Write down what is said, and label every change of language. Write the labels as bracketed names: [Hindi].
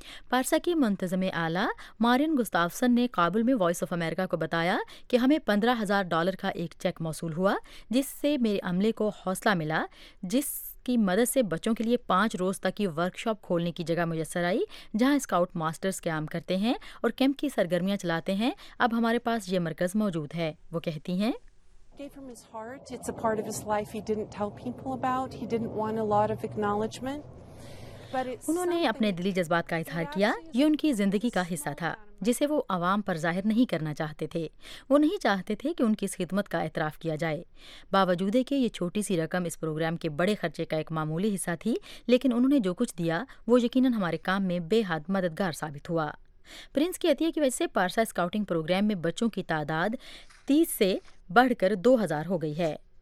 [Urdu] پارسا کی منتظم اعلیٰ مارین گستافسن نے کابل میں وائس آف امریکہ کو بتایا کہ ہمیں $15,000 کا ایک چیک موصول ہوا، جس سے میرے عملے کو حوصلہ ملا، جس کی مدد سے بچوں کے لیے 5 روز تک کی ورک شاپ کھولنے کی جگہ میسر آئی جہاں اسکاؤٹ ماسٹرز قیام کرتے ہیں اور کیمپ کی سرگرمیاں چلاتے ہیں۔ اب ہمارے پاس یہ مرکز موجود ہے، وہ کہتی ہیں۔ [English] gave from his heart. It's a part of his life he didn't tell people about. He didn't want a lot of acknowledgement. [Urdu] انہوں نے اپنے دلی جذبات کا اظہار کیا، یہ ان کی زندگی کا حصہ تھا۔ جسے وہ عوام پر ظاہر نہیں کرنا چاہتے تھے۔ وہ نہیں چاہتے تھے کہ ان کی اس خدمت کا اعتراف کیا جائے۔ باوجود کہ یہ چھوٹی سی رقم اس پروگرام کے بڑے خرچے کا ایک معمولی حصہ تھی، لیکن انہوں نے جو کچھ دیا وہ یقیناً ہمارے کام میں بے حد مددگار ثابت ہوا۔ پرنس کی عطیہ کی وجہ سے پارسا اسکاؤٹنگ پروگرام میں بچوں کی تعداد 30 سے بڑھ کر 2000 ہو گئی ہے۔